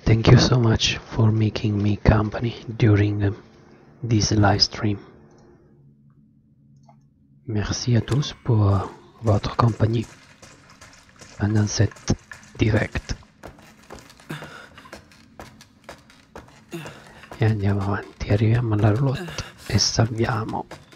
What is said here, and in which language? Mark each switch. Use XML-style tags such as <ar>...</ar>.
<en>you so much for making me company during this live stream.</en> <fr>Merci à tous pour votre compagnie pendant cette direct.</fr> <it>E andiamo avanti, arriviamo alla roulotte e salviamo.</it>